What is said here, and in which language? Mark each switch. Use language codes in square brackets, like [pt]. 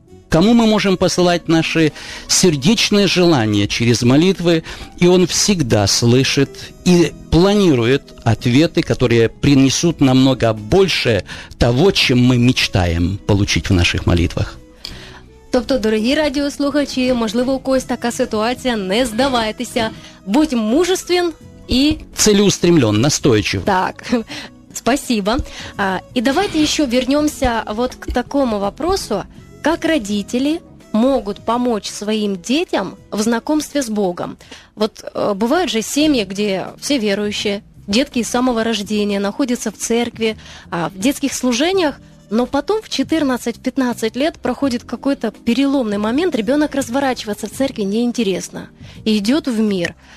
[ru] Кому мы можем посылать наши сердечные желания через молитвы, и Он всегда слышит и планирует ответы, которые принесут намного больше того, чем мы мечтаем получить в наших молитвах. [uk] Тобто, дорогі радіослухачі, можливо, у когось така ситуація, не здавайтеся. [ru] Будь мужествен і целеустремлен, настойчив. Так. Спасибо. [uk] І давайте ще вернемося [ru] вот к такому вопросу. Как родители могут помочь своим детям в знакомстве с Богом? Вот бывают же семьи, где все верующие, детки с самого рождения находятся в церкви, в детских служениях, но потом в 14-15 лет проходит какой-то переломный момент, ребенок разворачивается в церкви неинтересно и идет в мир.